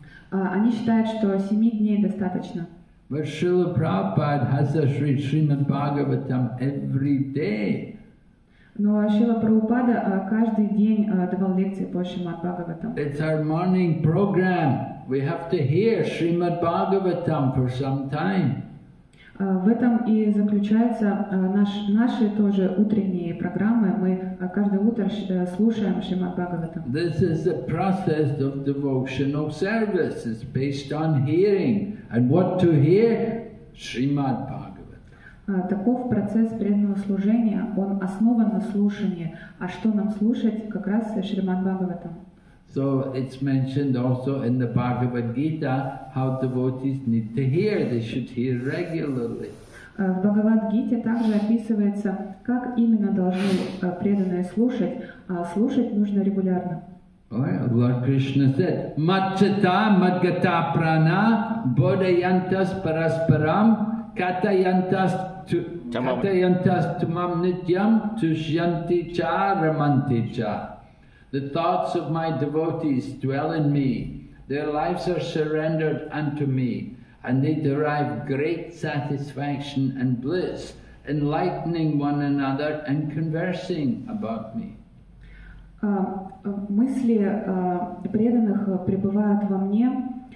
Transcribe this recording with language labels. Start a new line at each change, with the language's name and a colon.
Russian: Они считают, что 7 дней достаточно.
English: But Srila Prabhupada has us read Srimad Bhagavatam every day.
Russian: Но Шрила Прабхупада каждый день давал лекции по Шримад Бхагаватам.
English: It's our morning program. We have to hear Srimad Bhagavatam for some time.
Russian: В этом и заключается наши тоже утренние программы. Мы каждое утро слушаем Шримад Бхагаватам.
English: This is the process of devotional service. It's based on hearing. And what to hear? Srimad Bhagavatam.
Russian: Таков процесс преданного служения. Он основан на слушании. А что нам слушать? Как раз Шримад Бхагаватам.
English: So it's mentioned also in the Bhagavad Gita how devotees need to hear, they should hear regularly.
Russian: В Бхагавад Гите также описывается, как именно должны преданные слушать, а слушать нужно регулярно.
English: Lord Krishna said,
Sanskrit: Matchata Madgata Prana Bodhayantas Parasparam Katayantas Tumam Nityam Tushyanti Cha Ramanti Cha.
English: The thoughts of my devotees dwell in me. Their lives are surrendered unto me, and they derive great satisfaction and bliss, enlightening one another and conversing about me.
Russian: Мысли преданных пребывают во мне.